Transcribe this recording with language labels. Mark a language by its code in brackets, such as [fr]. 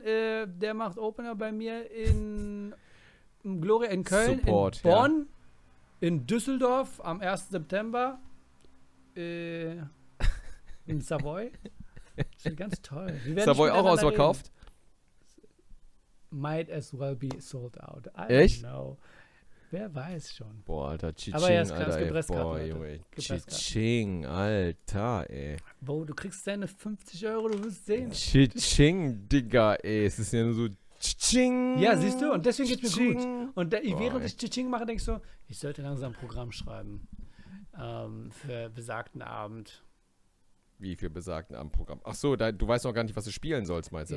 [de] Der macht Opener bei mir in Gloria in Köln, Support, in Bonn, ja. In Düsseldorf am 1. September, in Savoy. Das ist ganz toll. Savoy auch ausverkauft? [en] Might as well be sold out. [de] Echt? Genau. Wer weiß schon. Boah, Alter, Chiching, Alter, Chiching, Alter, ey. Boah, du kriegst deine 50 Euro, du wirst sehen. Chiching, Digga, ey, es ist ja nur so Chiching. Ja, siehst du, und deswegen geht's mir gut. Und während ich Chiching mache, denke ich so, ich sollte langsam ein Programm schreiben für besagten Abend. Wie viel besagten am Programm? Ach so, du weißt noch gar nicht, was du spielen sollst, meinst du?